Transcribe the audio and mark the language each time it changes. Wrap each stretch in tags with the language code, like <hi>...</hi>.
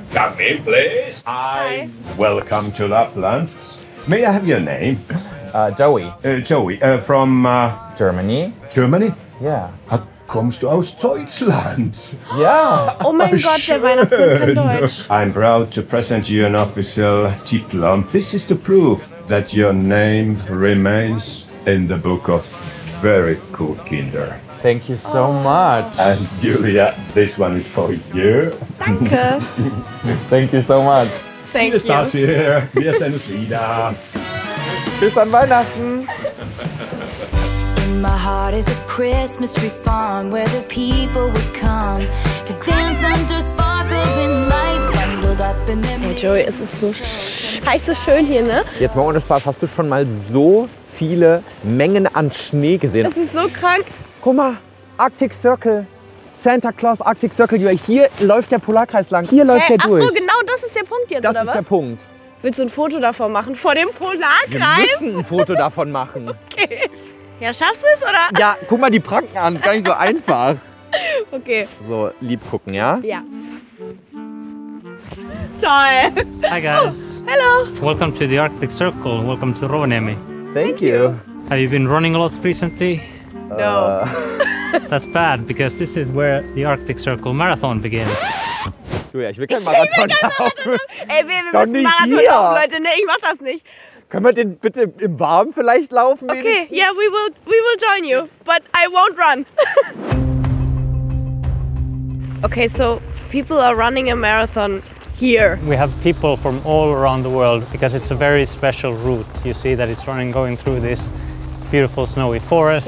<en>Come in, please. Hi. Welcome to Lapland. May I have your name? Joey. Joey, from... Germany. Germany? Yeah.</en> <de>kommst du aus Deutschland? Ja. Oh mein Gott, schön. Der Weihnachtsmann kann Deutsch.</de> <en>I'm proud to present you an official diplom. This is the proof that your name remains in the book of very cool Kinder. Thank you so much. And Julia, this one is for you.</en> <de>Danke.</de> <en>Thank you so much. Thank</en> <de>Viel Spaß</de> <en>you.</en> <de>Hier. Wir sehen uns wieder. Bis an Weihnachten.</de> <en>My heart is a Christmas tree farm where the people would come to dance under sparkling lights bundled up in their.</en> <de>Hey Joey, es ist so scheiße schön hier, ne? Jetzt mal ohne Spaß, hast du schon mal so viele Mengen an Schnee gesehen? Das ist so krank. Guck mal, Arctic Circle. Santa Claus Arctic Circle. Hier läuft der Polarkreis lang. Hier läuft der durch. Ach so, genau das ist der Punkt jetzt, das oder was? Das ist der Punkt. Willst du ein Foto davon machen? Vor dem Polarkreis? Wir müssen ein Foto davon machen. Okay. Ja, schaffst du es, oder? Ja, guck mal die Pranken an, ist gar nicht so einfach. Okay. So, lieb gucken, ja? Ja. Toll.</de> <en>Hi, guys. Oh, hello. Welcome to the Arctic Circle. Welcome to Rovaniemi. Thank you. Have you been running a lot recently? No. That's bad, because this is where the Arctic Circle Marathon begins.</en> <de>Julia, ich will keinen Marathon laufen. Ey, wir müssen Marathon laufen, Leute. Nee, ich mach das nicht. Können wir den bitte im Warm vielleicht laufen? Okay, wenigstens?</de> <en>Yeah, we will join you, but I won't run. Okay, so people are running a marathon here. We have people from all around the world because it's a very special route. You see that it's running going through this beautiful snowy forest.</en>